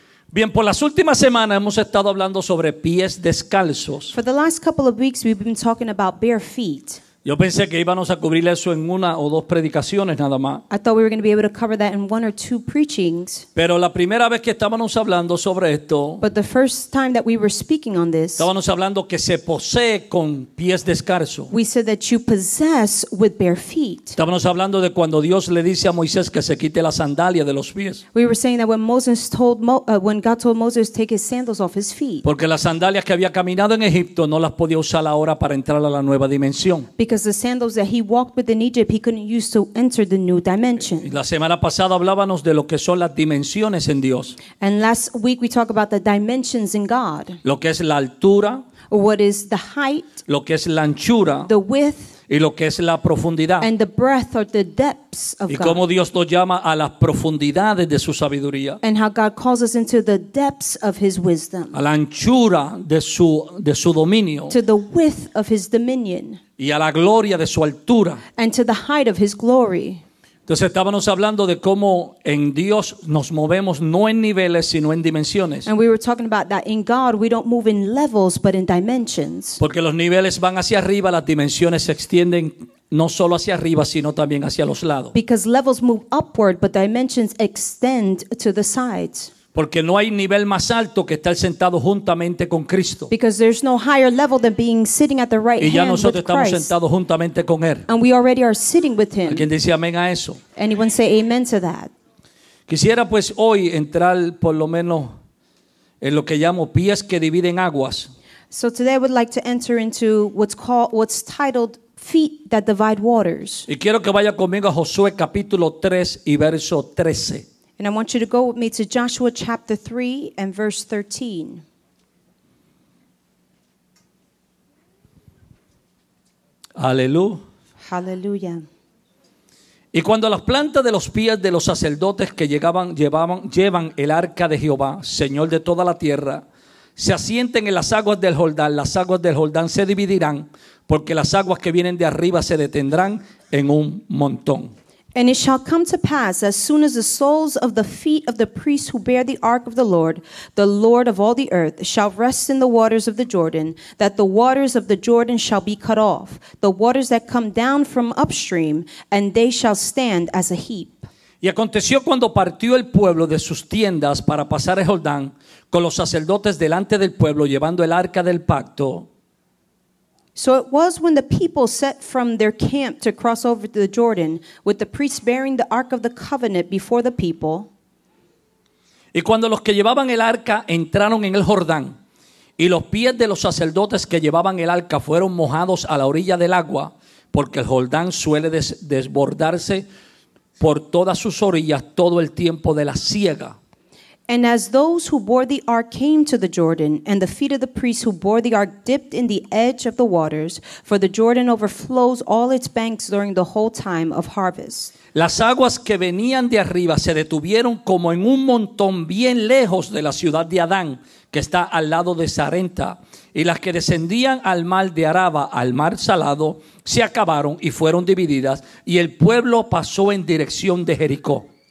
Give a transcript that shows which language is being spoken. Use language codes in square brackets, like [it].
[es] Bien, por las últimas semanas hemos estado hablando sobre pies descalzos. [en] For the last couple of weeks we've been talking about bare feet. [es] Yo pensé que íbamos a cubrir eso en una o dos predicaciones nada más. [en] I thought we were going to be able to cover that in one or two preachings. [es] Pero la primera vez que estábamos hablando sobre esto, [en] but the first time that we were speaking on this, [es] estábamos hablando que se posee con pies descalzos. [en] We said that you possess with bare feet. [es] Estábamos hablando de cuando Dios le dice a Moisés que se quite la sandalia de los pies. [en] We were saying that when Moses told when God told Moses to take his sandals off his feet. [es] Porque las sandalias que había caminado en Egipto no las podía usar ahora para entrar a la nueva dimensión. [en] Because the sandals that he walked with in Egypt, he couldn't use to enter the new dimension. [es] La semana pasada hablábamos de lo que son las dimensiones en Dios. [en] And last week we talked about the dimensions in God. [es] Lo que es la altura. [en] What is the height. [es] Lo que es la anchura. [en] The width. [es] Y lo que es la profundidad. [en] And the breadth or the depths of God. [es] Y cómo Dios nos llama a las profundidades de su sabiduría. [en] And how God calls us into the depths of his wisdom. [es] A la anchura de su dominio. [en] To the width of his dominion. [es] Y a la gloria de su altura. [en] And to the height of his glory. [es] Entonces estábamos hablando de cómo en Dios nos movemos no en niveles sino en dimensiones. [en] And we were talking about that in God we don't move in levels but in dimensions. [es] Porque los niveles van hacia arriba, las dimensiones se extienden no solo hacia arriba sino también hacia los lados. [en] Because levels move upward but dimensions extend to the sides. [es] Porque no hay nivel más alto que estar sentado juntamente con Cristo. [en] Because there's no higher level than being sitting at the right hand with Christ. [es] Y ya nosotros estamos sentados juntamente con Él. [en] And we already are sitting with Him. [es] ¿Alguien dice amén a eso? [en] Anyone say amen to that? [es] Quisiera pues hoy entrar por lo menos en lo que llamo pies que dividen aguas. [en] So today I would like to enter into what's titled feet that divide waters. [es] Y quiero que vaya conmigo a Josué capítulo 3 y verso 13. [en] And I want you to go with me to Joshua chapter 3 and verse 13. [es] Aleluya. [en] Hallelujah. [es] Y cuando las plantas de los pies de los sacerdotes que llevan el arca de Jehová, Señor de toda la tierra, se asienten en las aguas del Jordán se dividirán, porque las aguas que vienen de arriba se detendrán en un montón. [en] And it shall come to pass, as soon as the soles of the feet of the priests who bear the ark of the Lord of all the earth, shall rest in the waters of the Jordan, that the waters of the Jordan shall be cut off, the waters that come down from upstream, and they shall stand as a heap. [es] Y aconteció cuando partió el pueblo de sus tiendas para pasar el Jordán, con los sacerdotes delante del pueblo llevando el arca del pacto. [en] So it was when the people set from their camp to cross over to the Jordan, with the priests bearing the Ark of the Covenant before the people. [es] Y cuando los que llevaban el arca entraron en el Jordán, y los pies de los sacerdotes que llevaban el arca fueron mojados a la orilla del agua, porque el Jordán suele desbordarse por todas sus orillas todo el tiempo de la siega. [en] And as those who bore the ark came to the Jordan, and the feet of the priests who bore the ark dipped in the edge of the waters, for the Jordan overflows all its banks during the whole time of harvest. [es] Las aguas que venían de arriba se detuvieron como en un montón bien lejos de la ciudad de Adán, que está al lado de Sarenta, y las que descendían al mar de Araba, al mar salado, se acabaron y fueron divididas, y el pueblo pasó en dirección de Jericó.